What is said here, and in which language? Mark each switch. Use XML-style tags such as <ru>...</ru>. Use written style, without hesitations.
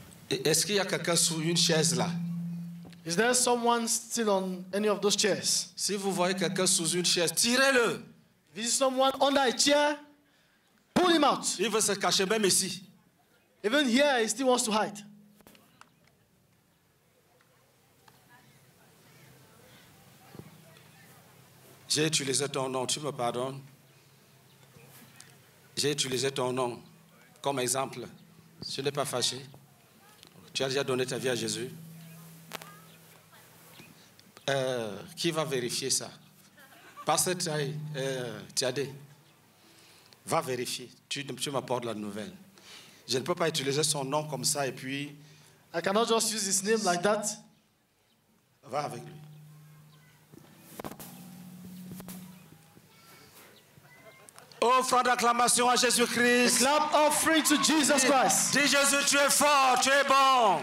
<fr>Est-ce qu'il y a quelqu'un sur une chaise là?</fr> <en>Is there someone still on any of those chairs?</en> <fr>Si vous voyez quelqu'un sous une chaise, tirez-le.</fr> <en>If you see someone under a chair, pull him out.</en> <fr>Il veut se cacher même ici.</fr> <en>Even here, he still wants to hide.</en> <fr>J'ai utilisé ton nom, tu me pardonnes? J'ai utilisé ton nom comme exemple. Je n'ai pas fâché. Tu as déjà donné ta vie à Jésus. Qui va vérifier ça? Pasteur Tiade, va vérifier. Tu m'apportes la nouvelle. Je ne peux pas utiliser son nom comme ça et puis.</fr> <en>I cannot just use his name like that.</en> <fr>Va avec lui. Offrande d'acclamation à Jésus-Christ.</fr> <en>A clap offering to Jesus Christ.</en> <fr>Dis Jésus, tu es fort, tu es bon.</fr>